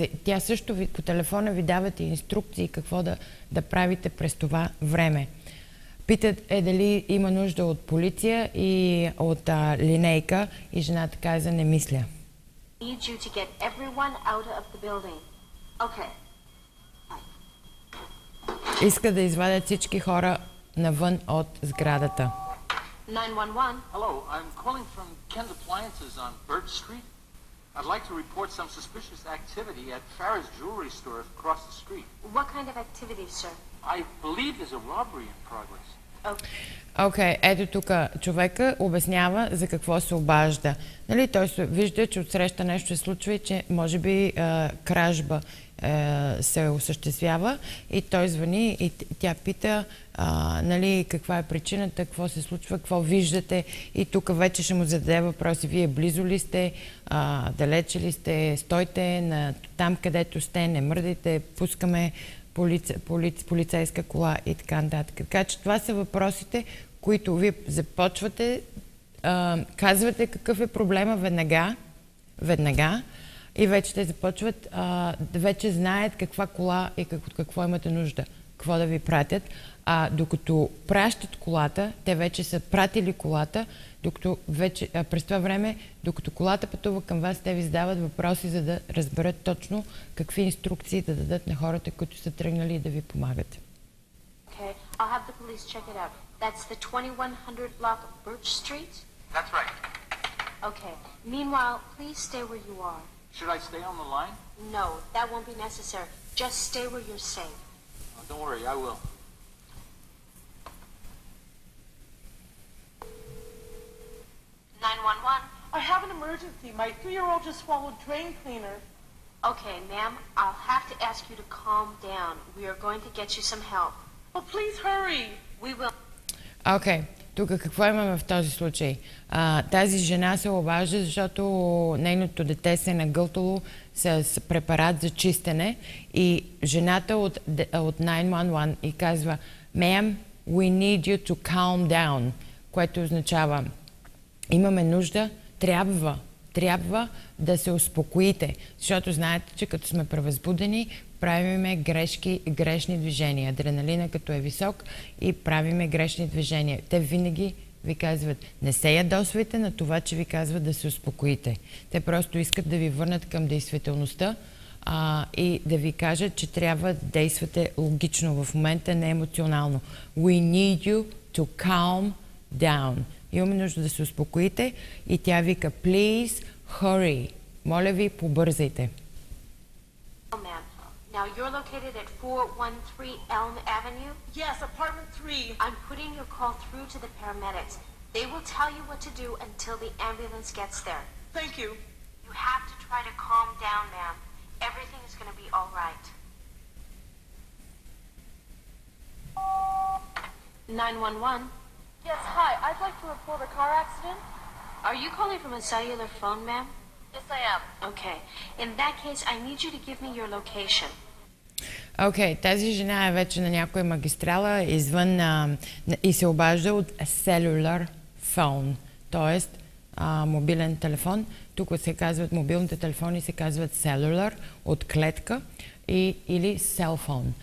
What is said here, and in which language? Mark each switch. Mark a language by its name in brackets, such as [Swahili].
[Bulgarian] Тя също ви, по телефона ви давате инструкции какво да правите през това време. Питат е дали има нужда от полиция и от линейка и жената каза не мисля. [English] Need you to get everyone out of the building. Okay. [Bulgarian] Иска да извадят всички хора навън от сградата. [English] 911. Hello, I'm calling from Kent Appliances on Bird Street. I'd like to report some suspicious activity at Farrah's Jewelry Store across the street. What kind of activity, sir? I believe there's a robbery in progress. [Bulgarian] Окей, ето тук човека обяснява за какво се обажда. Нали, той се вижда, че отсреща нещо се случва и че може би кражба се осъществява и той звъни и тя пита нали, каква е причината, какво се случва, какво виждате и тук вече ще му зададе въпроси. Вие близо ли сте, далече ли сте, стойте на там където сте, не мърдайте, пускаме полицейска кола и така нататък. Така че това са въпросите, които вие започвате, казвате какъв е проблема веднага и вече те започват, вече знаят каква кола и какво имате нужда, какво да ви пратят. А докато пращат колата, те вече са пратили колата, докато вече, през това време, докато колата пътува към вас, те ви задават въпроси, за да разберат точно какви инструкции да дадат на хората, които са тръгнали да ви помагат. [English] Okay, I'll have the police check it out. That's the 2100 block of Birch Street? That's right. Okay, meanwhile, please stay where you are. Should I stay on the line? No, that won't be necessary. Just stay where you're safe. Oh, don't worry, I will. I have an emergency. My 3-year-old just swallowed drain cleaner. Okay, ma'am, I'll have to ask you to calm down. We are going to get you some help. Well, please hurry. We will. [Bulgarian] Okay, тук какво имаме в този случай? Тази жена се обажда, защото нейното дете се е нагълтало с препарат за чистене и жената от 911 и казва, [English] ma'am, we need you to calm down, [Bulgarian] което означава имаме нужда, трябва да се успокоите, защото знаете, че като сме превъзбудени, правиме грешки, грешни движения. Адреналина като е висок и правиме грешни движения. Те винаги ви казват, не се ядосвайте на това, че ви казват да се успокоите. Те просто искат да ви върнат към действителността и да ви кажат, че трябва да действате логично в момента, не емоционално. [English] We need you to calm down. [Bulgarian] имам нужда да се успокоите. И тя вика, [English] please hurry. [Bulgarian] Моля ви, побързайте. [English] Now you're located at 413 Elm Avenue? Yes, apartment 3. I'm putting your call through to the paramedics. They will tell you what to do until the ambulance gets there. Thank you. You have to try to calm down, ma'am. Everything is going to be all right. 911? Yes, hi. I'd like to report a car accident. Are you calling from a cellular phone, ma'am? Yes, I am. Okay. In that case, I need you to give me your location. [Bulgarian] Окей, тази жена е вече на някоя магистрала извън и се обажда от [English] cellular phone, [Bulgarian] т.е. Мобилен телефон. Тук се казват мобилните телефони, се казват cellular от клетка и, или cell phone.